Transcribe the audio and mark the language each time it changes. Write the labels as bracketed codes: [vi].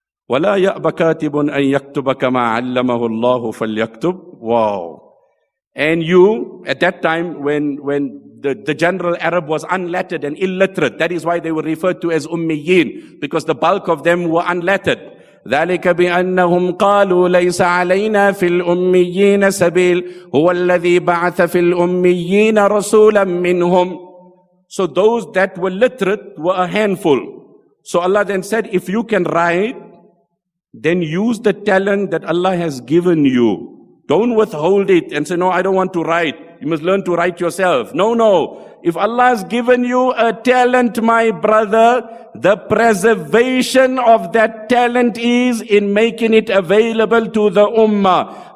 [ar] وَلَا يَأْبَ كَاتِبٌ أَن يَكْتُبَ كَمَا عَلَّمَهُ اللَّهُ فَلْيَكْتُبْ. [en] Wow. And you, at that time, when the general Arab was unlettered and illiterate, that is why they were referred to as Ummiyin, because the bulk of them were unlettered. [ar] ذلك بأنهم قالوا ليس علينا في الأميين سبيل هو الذي بعث في الأميين رسولا منهم. [en] So those that were literate were a handful. So Allah then said, if you can write, then use the talent that Allah has given you. Don't withhold it and say, no, I don't want to write. You must learn to write yourself. No, no. If Allah has given you a talent, my brother, the preservation of that talent is in making it available to the ummah.